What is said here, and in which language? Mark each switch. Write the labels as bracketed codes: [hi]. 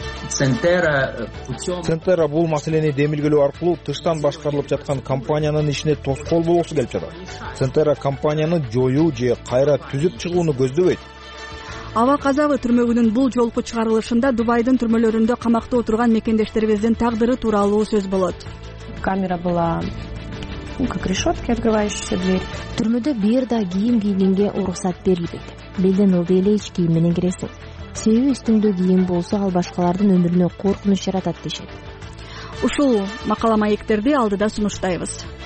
[ky] Центера бул маселени демилгелүү аркылуу тыштан башкарылып жаткан компаниянын ишине тоскоол болгусу келип жатат. Центера компанияны жоюу же кайра түзүп чыгууну көздөбөйт. Аба Казавы түрмөгүнүн бул жолку чыгарылышында Дубайдын түрмөлөрүндө камакта отурган мекендештерибиздин тагдыры тууралуу сөз болот. [ru] Камера была как решетки, открывающаяся дверь. [ky] Түрмөдө бир да кийим кийгенге уруксат берилбейт. Белден ылдый эле ич кийим менен киресиң. Себеби үстүңдө кийим болсо ал башкалардын өмүрүнө коркунуч жаратат дешет. Ушул макала маектерди алдыда сунуштайбыз.